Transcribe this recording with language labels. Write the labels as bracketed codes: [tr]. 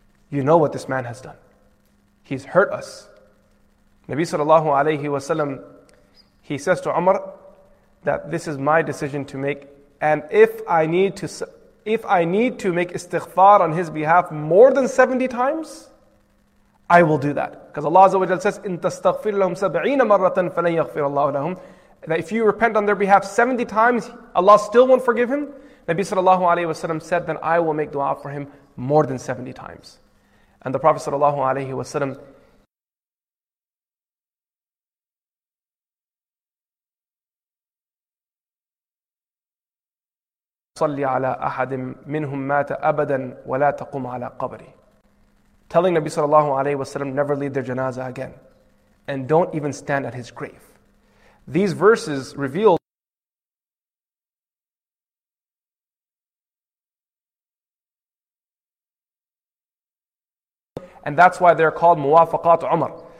[en] you know what this man has done. He's hurt us. Nabi sallallahu alayhi wa sallam, he says to Umar that this is my decision to make, and if I need to make istighfar on his behalf more than 70 times, I will do that. Because Allah Azza wa Jalla says, [ar] إِن تَسْتَغْفِرْ لَهُمْ سَبْعِينَ مَرَّةً فَلَنْ يَغْفِرَ اللَّهُ لَهُمْ. [en] That if you repent on their behalf 70 times, Allah still won't forgive him. Nabi sallallahu alayhi wa sallam said, then I will make dua for him more than 70 times. And the Prophet sallallahu alayhi wa sallam, [ar] صلي على أحد منهم مات أبدا ولا تقوم على قبري. [en] Telling Nabi sallallahu alayhi wa sallam, never lead their janazah again. And don't even stand at his grave. These verses reveal and that's why they're called Muwafaqat Umar.